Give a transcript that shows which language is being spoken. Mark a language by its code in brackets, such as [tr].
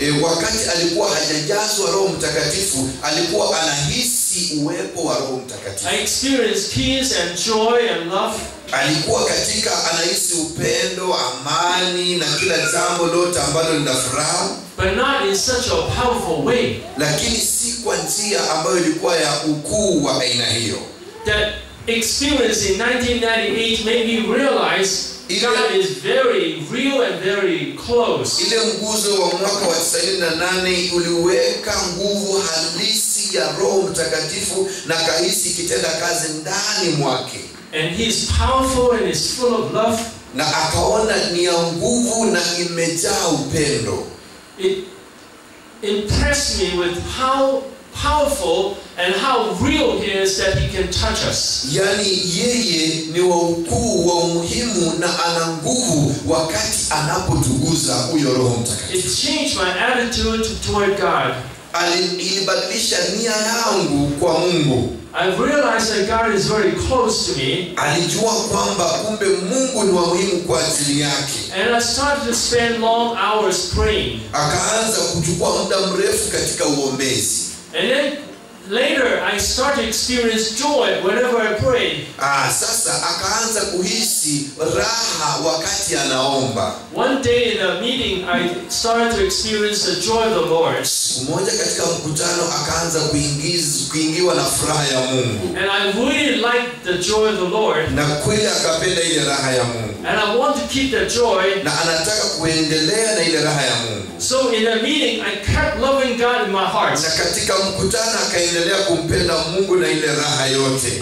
[sw] Wakati alikuwa hajajazwa Roho Mtakatifu, alikuwa anahisi uwepo wa Roho Mtakatifu. [en] I experienced peace and joy and love. [sw] Alikuwa katika anahisi upendo, amani na kila jambo lote ambalo lina furaha. [en] But not in such a powerful way. [sw] Lakini si kwa njia ambayo ilikuwa ya ukuu wa aina hiyo. [en] That experience in 1998 made me realize God is very real and very close. [sw] Ile nguzo wa mwaka wa 98 uliweka nguvu halisi ya Roho Mtakatifu na kahisi kitenda kazi ndani mwake. [en] And he is powerful and is full of love. [sw] Na akaona ni ya nguvu na imejaa upendo. [en] It impressed me with how powerful and how real he is that he can touch us. [sw] Yani yeye ni wa ukuu wa muhimu na ana nguvu wakati anapotuguza huyo Roho Mtakatifu. [en] It changed my attitude toward God. [sw] Ilibadilisha nia yangu kwa Mungu. [en] I realized that God is very close to me. [sw] Alijua kwamba kumbe Mungu ni wa muhimu kwa ajili yake. [en] And I started to spend long hours praying. [sw] Akaanza kuchukua muda mrefu katika uombezi. [en] And then later I started to experience joy whenever I prayed. [sw] Sasa akaanza kuhisi raha wakati anaomba. [en] One day in a meeting I started to experience the joy of the Lord. [sw] Mmoja katika mkutano akaanza kuingiwa na furaha ya Mungu. [en] And I really liked the joy of the Lord. [sw] Na kweli akapenda ile raha ya Mungu. [en] And I want to keep that joy. [sw] Na anataka kuendelea na ile raha ya Mungu. [en] So in a meeting I kept loving God in my heart. [sw] Na katika mkutano akaendelea kumpenda na Mungu na ile raha yote.